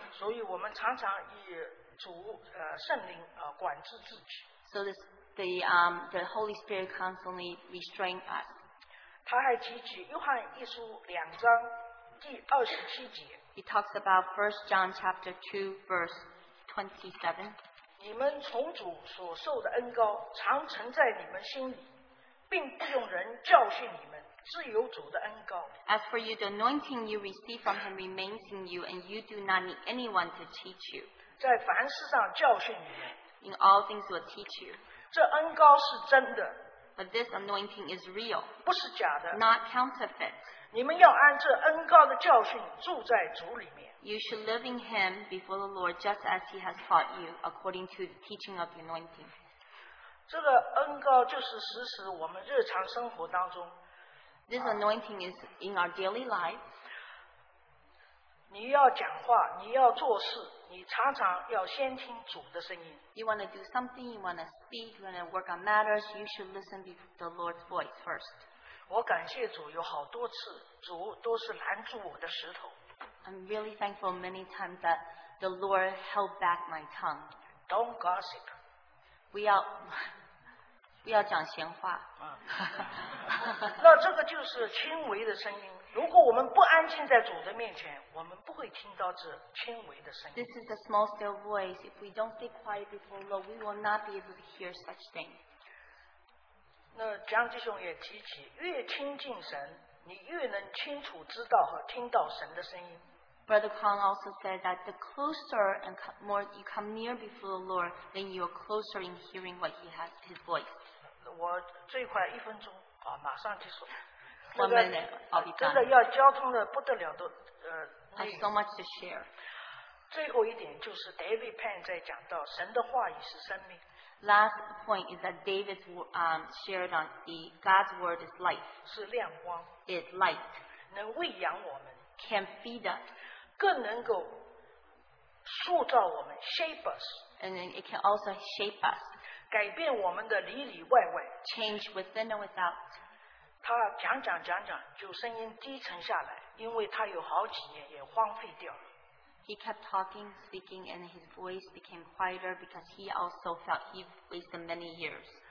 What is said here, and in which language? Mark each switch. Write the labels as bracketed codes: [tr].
[zh] 所以我们常常以主圣灵管制自己。 [en] So this the Holy Spirit constantly restrain us. [zh] 他还提起约翰一书两章第二十七节。 [en] He talks about 1 John chapter 2 verse 27. [zh] 你们从主所受的恩膏常存在你们心里，并不用人教训你们，自有主的恩膏。 [en] As for you, the anointing you receive from him remains in you, and you do not need anyone to teach you. [zh] 在凡事上教训你们。 [en] In all things will teach you. [zh] 这恩膏是真的。 [en] But this anointing is real. [zh] 不是假的。 [en] Not counterfeit. [zh] 你们要按这恩膏的教训住在主里面。 [en] You should live in him before the Lord just as he has taught you according to the teaching of the anointing. [zh] 这个恩膏就是实时我们日常生活当中。 [en] This anointing is in our daily life. [zh] 你要讲话，你要做事，你常常要先听主的声音。 [en] You want to do something, you want to speak, you want to work on matters, you should listen to the Lord's voice first. [zh] 我感谢主，有好多次主都是拦住我的舌头。 [en] I'm really thankful many times that the Lord held back my tongue. Don't gossip. [zh] 不要讲闲话。那这个就是轻微的声音。如果我们不安静在主的面前，我们不会听到这轻微的声音。 [en] This is a small still voice. If we don't stay quiet before the Lord, we will not be able to hear such thing. [zh] 那江弟兄也提起，越亲近神，你越能清楚知道和听到神的声音。 [en] Brother Khan also said that the closer and more you come near before the Lord, then you are closer in hearing what he has, his voice. [zh] 我最快一分钟，马上结束。这个真的要交通的不得了的 [en] I have so much to share. [zh] 最后一点就是 David Penn 在讲到神的话语是生命。 [en] Last point is that David shared on the God's word is life. [zh] 是亮光。 [en] Is light. [zh] 能喂养我们。 [en] Can feed us. [zh] 更能够塑造我们 [en] shape us. And then it can also shape us. [zh] 改变我们的里里外外。 [en] Change within and without. [zh] 他讲，就声音低沉下来，因为他有好几年也荒废掉了。 [en] He kept talking, speaking, and his voice became quieter because he also felt he wasted many years.